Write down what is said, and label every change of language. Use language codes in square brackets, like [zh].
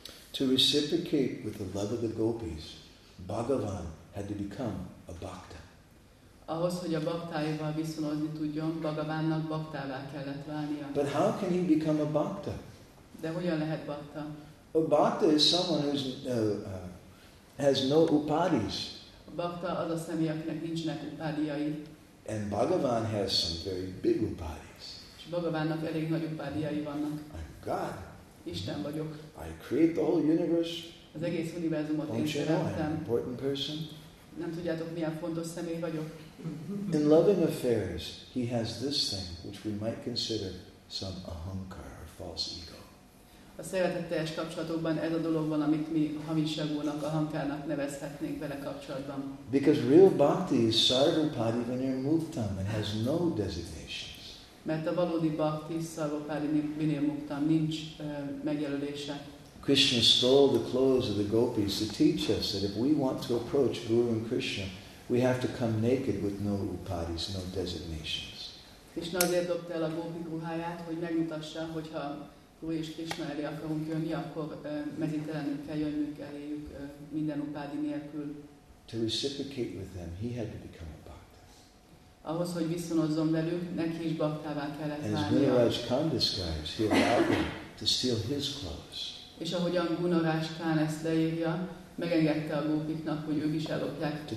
[en] To reciprocate with the love of the gopis, Bhagavan had to become a bhakta. [hu] Ahhoz, hogy a bhaktáival viszonozni tudjon, Bhagavannak bhaktává kellett válnia. [en] But how can he become a bhakta? [hu] De hogyan lehet bhakta? [en] A bhakta is someone who's has no upadis. [hu] Bhakta az a személy, akinek nincsenek upádiai. [en] And Bhagavan has some very big upadis. [hu] És Bhagavannak elég nagy upádiai vannak. [en] I'm God. [hu] Isten vagyok. [en] I create the whole universe. [hu] Az egész univerzumot én teremtem. [en] I'm an important person. [hu] Nem tudjátok, milyen fontos személy vagyok. [en] In loving affairs, he has this thing which we might consider some ahankar or false ego. [hu] A szeretetteljes kapcsolatokban ez a dolog van, amit mi hamiságúnak, ahankárnak nevezhetnénk vele kapcsolatban. [en] Because real bhakti is [sa] sarvapadi vinirmuktam [en] and has no designations. [hu] Mert a valódi bhakti sarvapadi vinirmuktam, nincs megjelölése. [en] Krishna stole the clothes of the gopis to teach us that if we want to approach Guru and Krishna, we have to come naked with no upadis, no designations. [hu] Krishna azért dobta el a gópik ruháját, hogy megmutassa, hogyha Guru és Krishna elé akarunk jönni, akkor mezítelenül kell jönnünk eléjük minden upádi nélkül. [en] To reciprocate with them, he had to become a bhakta. [hu] Ahhoz, hogy viszonozzon velük, neki is bhaktává kellett válnia. [en] As Viniraj Khan describes, he allowed him to steal his clothes. [hu] És ahogyan Gunaraj Khan ezt leírja, megengedte a gópiknak, hogy ők is ellopják